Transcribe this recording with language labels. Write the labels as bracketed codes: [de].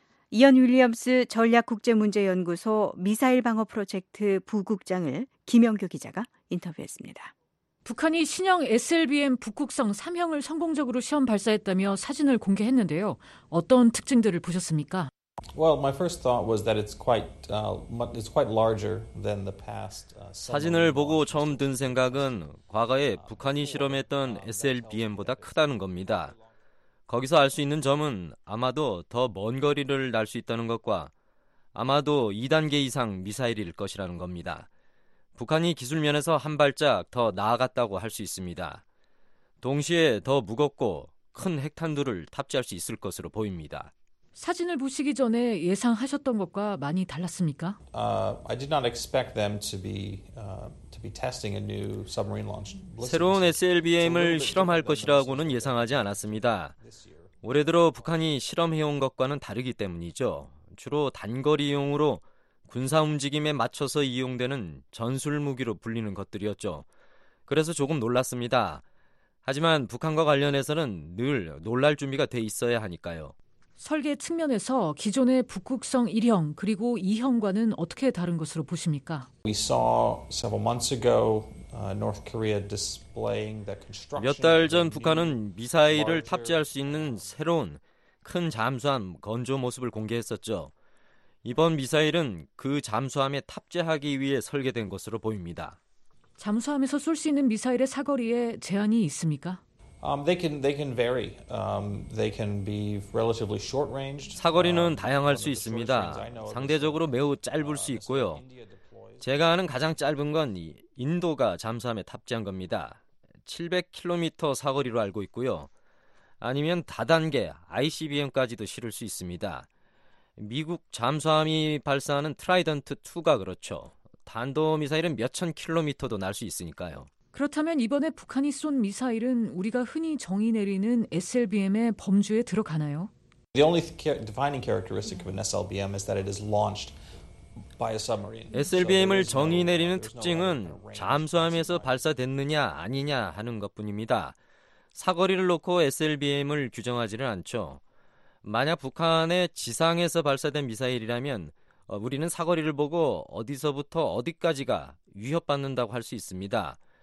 [ko] 이언 윌리엄스 전략국제문제연구소 미사일방어프로젝트 부국장을 김영규 기자가 인터뷰했습니다. 북한이 신형 SLBM 북극성 3형을 성공적으로 시험 발사했다며 사진을 공개했는데요. 어떤 특징들을 보셨습니까? [en] Well, my first thought was that it's quite larger than the past. [ko] 사진을 보고 처음 든 생각은 과거에 북한이 실험했던 SLBM보다 크다는 겁니다. 거기서 알 수 있는 점은 아마도 더 먼 거리를 날 수 있다는 것과 아마도 2단계 이상 미사일일 것이라는 겁니다. 북한이 기술 면에서 한 발짝 더 나아갔다고 할 수 있습니다. 동시에 더 무겁고 큰 핵탄두를 탑재할 수 있을 것으로 보입니다. 사진을 보시기 전에 예상하셨던 것과 많이 달랐습니까? [en] I did not expect them to be testing a new submarine launch. [ko] 새로운 SLBM을 실험할 것이라고는 예상하지 않았습니다. 올해 들어 북한이 실험해온 것과는 다르기 때문이죠. 주로 단거리용으로 군사 움직임에 맞춰서 이용되는 전술 무기로 불리는 것들이었죠. 그래서 조금 놀랐습니다. 하지만 북한과 관련해서는 늘 놀랄 준비가 돼 있어야 하니까요. 설계 측면에서 기존의 북극성 1형 그리고 2형과는 어떻게 다른 것으로 보십니까? [en] We saw several months ago North Korea displaying the construction. [ko] 몇 달 전 북한은 미사일을 탑재할 수 있는 새로운 큰 잠수함 건조 모습을 공개했었죠. 이번 미사일은 그 잠수함에 탑재하기 위해 설계된 것으로 보입니다. 잠수함에서 쏠 수 있는 미사일의 사거리에 제한이 있습니까? [en] They can vary. They can be relatively short-ranged. [ko] 사거리는 다양할 수 있습니다. 상대적으로 매우 짧을 수 있고요. 제가 아는 가장 짧은 건 인도가 잠수함에 탑재한 겁니다. 700km 사거리로 알고 있고요. 아니면 다단계 ICBM까지도 실을 수 있습니다. 미국 잠수함이 발사하는 트라이던트 2가 그렇죠. 탄도미사일은 몇천 킬로미터도 날 수 있으니까요. 그렇다면 이번에 북한이 쏜 미사일은 우리가 흔히 정의 내리는 SLBM의 범주에 들어가나요? [en] The only defining characteristic of an SLBM is that it is launched by a submarine. [ko] SLBM을 정의 내리는 특징은 잠수함에서 발사됐느냐 아니냐 하는 것뿐입니다. 사거리를 놓고 SLBM을 규정하지는 않죠. 만약 북한의 지상에서 발사된 미사일이라면 우리는 사거리를 보고 어디서부터 어디까지가 위협받는다고 할 수 있습니다.